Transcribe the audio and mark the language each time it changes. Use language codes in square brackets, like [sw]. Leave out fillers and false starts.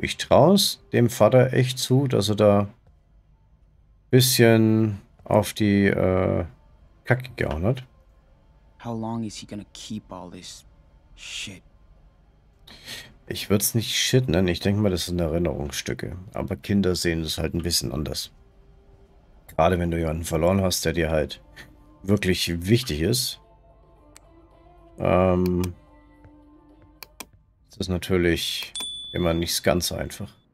[de] Ich traue es dem Vater echt zu, dass er da ein bisschen auf die Kacke gehauen hat. [en] How long is he gonna keep all this shit? [de] Ich würde es nicht shit nennen. Ich denke mal, das sind Erinnerungsstücke. Aber Kinder sehen es halt ein bisschen anders. Gerade wenn du jemanden verloren hast, der dir halt wirklich wichtig ist. Das ist natürlich immer nicht ganz einfach.